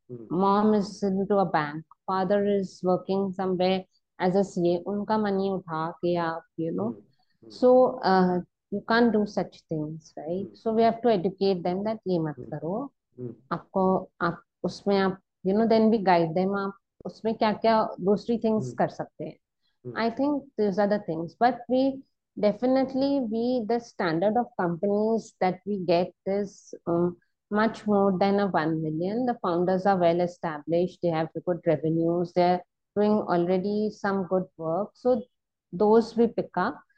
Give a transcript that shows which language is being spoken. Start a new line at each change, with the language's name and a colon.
English: Mom is into a bank. Father is working somewhere as a CA.
Hindi: Unka money utha ke aap,
English: So you can't do such things, right? So we have to educate them that
Hindi: ye mat karo. आपको आप उसमें आप
English: then we guide them.
Hindi: आप उसमें क्या क्या दूसरी things कर सकते हैं.
English: I think these are the things. But we the standard of companies that we get is much more than a 1 million. The founders are well established. They have good revenues. They're doing already some good work. So those we pick up.